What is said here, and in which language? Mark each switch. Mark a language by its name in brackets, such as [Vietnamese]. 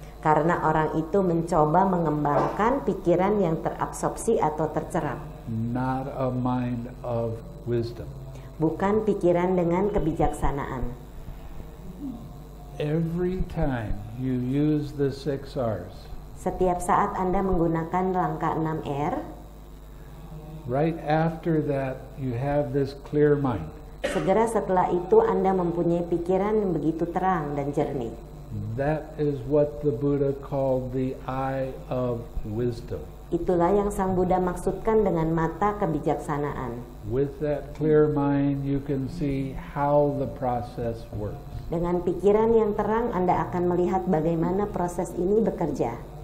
[Indonesian] Karena orang itu mencoba mengembangkan pikiran yang terabsorpsi atau tercerap. [English] Not a mind of wisdom. [Indonesian] Bukan pikiran dengan kebijaksanaan. [English] Every time you use the six R's. [Indonesian] Setiap saat Anda menggunakan langkah 6 R. [English] Right after that you have this clear mind. [Indonesian] Segera setelah itu Anda mempunyai pikiran yang begitu terang dan jernih. [English] That is what the Buddha called the eye of wisdom. [Indonesian] Itulah yang Sang Buddha maksudkan dengan mata kebijaksanaan. [English] With that clear mind you can see how the process works. [Indonesian] Dengan pikiran yang terang, Anda akan melihat bagaimana proses ini bekerja.